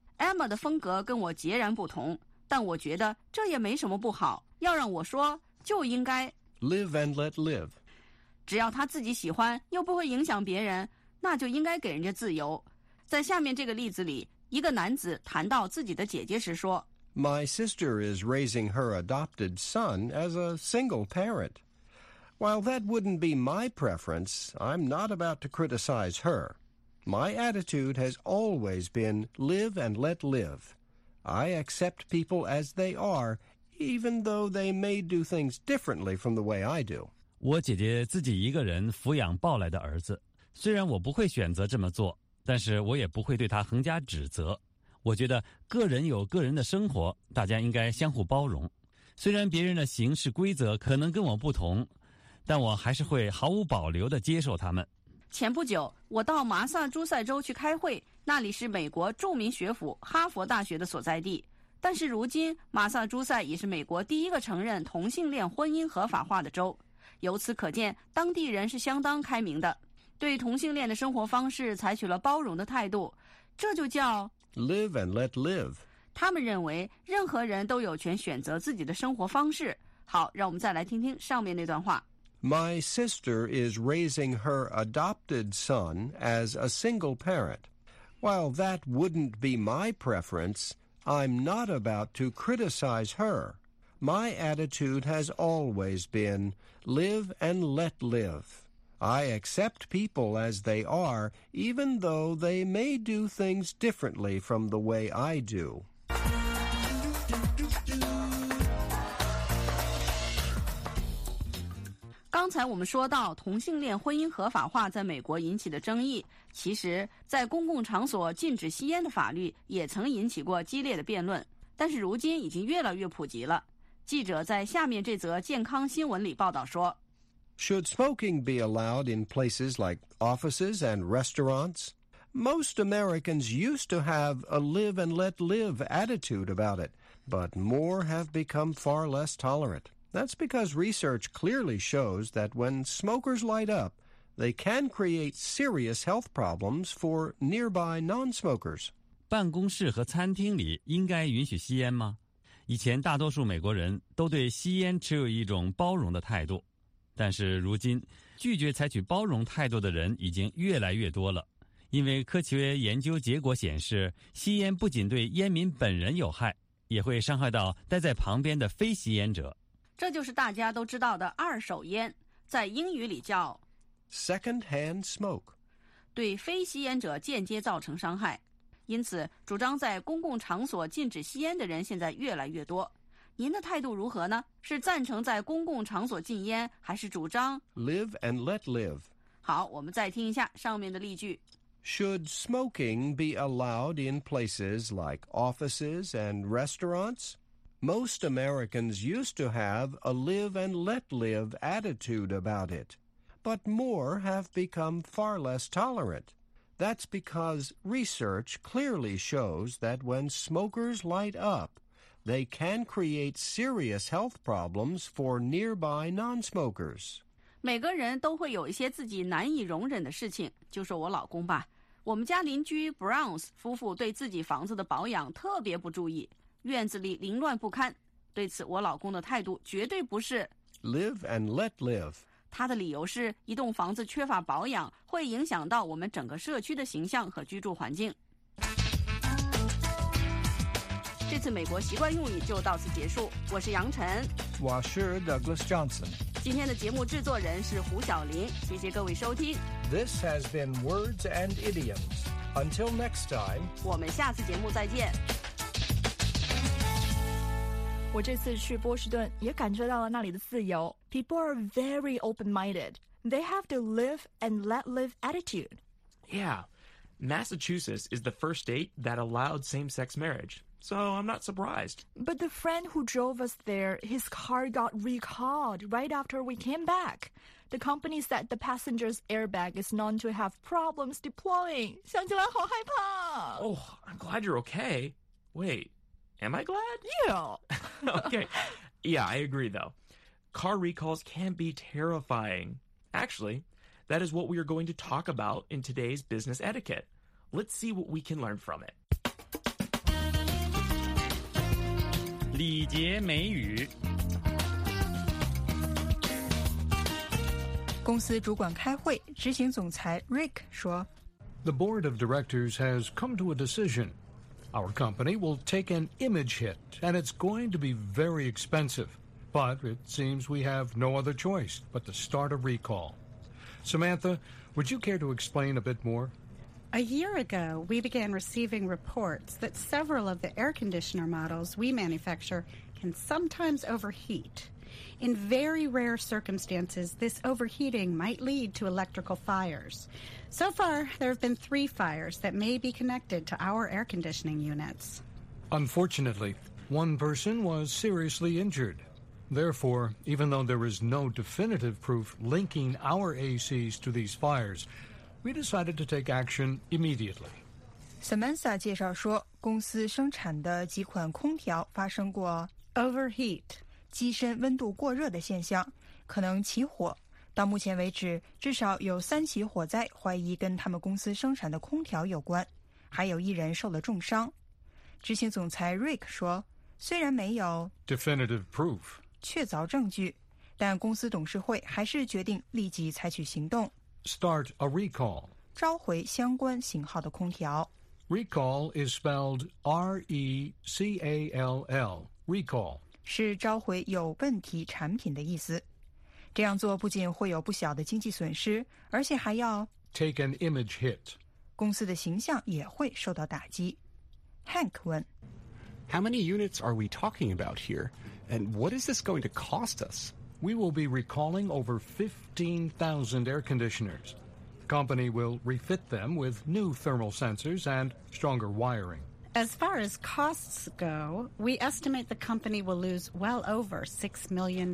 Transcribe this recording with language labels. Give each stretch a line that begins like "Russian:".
Chinese: Emma 的风格跟我截然不同，但我觉得这也没什么不好。要让我说就应该。
English: Live and let live.
Chinese: 只要他自己喜欢又不会影响别人，那就应该给人家自由。在下面这个例子里，一个男子谈到自己的姐姐时说，
English: My sister is raising her adopted son as a single parent. While that wouldn't be my preference, I'm not about to criticize her. My attitude has always been live and let live. I accept people as they are, even though they may do things differently from the way I do.
Chinese: 我姐姐自己一个人抚养抱来的儿子，虽然我不会选择这么做，但是我也不会对她横加指责。我觉得个人有个人的生活，大家应该相互包容。虽然别人的行事规则可能跟我不同，但我还是会毫无保留地接受他们。前不久，我到马萨诸塞州去开会，那里是美国著名学府哈佛大学的所在地。但是如今，马萨诸塞已是美国第一个承认同性恋婚姻合法化的州。由此可见，当地人是相当开明的，对同性恋的生活方式采取了包容的态度。这就叫
English: Live and let live.
Chinese: 他们认为任何人都有权选择自己的生活方式。好，让我们再来听听上面那段话。
English: My sister is raising her adopted son as a single parent. While that wouldn't be my preference, I'm not about to criticize her. My attitude has always been live and let live. I accept people as they are, even though they may do things differently from the way I do.
Chinese: 刚才我们说到同性恋婚姻合法化在美国引起的争议，其实在公共场所禁止吸烟的法律也曾引起过激烈的辩论，但是如今已经越来越普及了。记者在下面这则健康新闻里报道说，
English: Should smoking be allowed in places like offices and restaurants? Most Americans used to have a live and let live attitude about it, but more have become far less tolerant. That's because research clearly shows that when smokers light up, they can create serious health problems for nearby non-smokers.
Chinese: 办公室和餐厅里应该允许吸烟吗？以前大多数美国人都对吸烟持有一种包容的态度，但是如今，拒绝采取包容态度的人已经越来越多了。因为科学研究结果显示，吸烟不仅对烟民本人有害，也会伤害到待在旁边的非吸烟者。这就是大家都知道的二手烟，在英语里叫
English: second hand smoke，
Chinese: 对非吸烟者间接造成伤害。因此，主张在公共场所禁止吸烟的人现在越来越多。您的态度如何呢？是赞成在公共场所禁烟，还是主张
English: live and let live？
Chinese: 好，我们再听一下上面的例句。
English: Should smoking be allowed in places like offices and restaurants? Most Americans used to have a live and let live attitude about it, but more have become far less tolerant. That's because research clearly shows that when smokers light up, they can create serious health problems for nearby non-smokers.
Chinese: 每个人都会有一些自己难以容忍的事情，就说我老公吧。我们家邻居 Browns 夫妇对自己房子的保养特别不注意。院子里凌乱不堪，对此我老公的态度绝对不是
English: live and let live。
Chinese: 他的理由是一栋房子缺乏保养会影响到我们整个社区的形象和居住环境。这次美国习惯用语就到此结束，我是杨晨，我是 Douglas Johnson。今天的节目制作人是胡晓林，谢谢各位收听。
English: This has been Words and Idioms. Until next time，
Chinese: 我们下次节目再见。我这次去波士顿也感受到了那里的自由。
English: People are very open-minded. They have the live and let live attitude. Yeah. Massachusetts is the first state that allowed same-sex marriage, so I'm not surprised. But the friend who drove us there, his car got recalled right after we came back. The company said the passenger's airbag is known to have problems deploying.
Chinese: 想起来好害怕。
English: Oh, I'm glad you're okay. Wait. Am I glad? Yeah. Okay. Yeah, I agree, though. Car recalls can be terrifying. Actually, that is what we are going to talk about in today's business etiquette. Let's see what we can learn from it.
Chinese: 礼节美语。公司主管开会，执行总裁 Rick 说，
English: The board of directors has come to a decision. Our company will take an image hit, and it's going to be very expensive. But it seems we have no other choice but to start a recall. Samantha, would you care to explain a bit more? A year ago, we began receiving reports that several of the air conditioner models we manufacture can sometimes overheat. In very rare circumstances, this overheating might lead to electrical fires. So far, there have been 3 fires that may be connected to our air conditioning units. Unfortunately, one person was seriously injured. Therefore, even though there is no definitive proof linking our ACs to these fires, we decided to take action immediately.
Chinese: Samantha 介绍说，公司生产的几款空调发生过
English: overheat,
Chinese: 机身温度过热的现象，可能起火。到目前为止，至少有3起火灾怀疑跟他们公司生产的空调有关，还有一人受了重伤。执行总裁 Rick 说，虽然没有
English: definitive proof
Chinese: 确凿证据，但公司董事会还是决定立即采取行动
English: start a recall
Chinese: 召回相关型号的空调。
English: Recall is spelled R-E-C-A-L-L, recall
Chinese: 是召回有问题产品的意思。这样做不仅会有不小的经济损失，而且还要
English: take an image hit，
Chinese: 公司的形象也会受到打击。 Hank 问，
English: How many units are we talking about here? And what is this going to cost us? We will be recalling over 15,000 air conditioners. The company will refit them with new thermal sensors and stronger wiring. As far as costs go, we estimate the company will lose well over $6 million.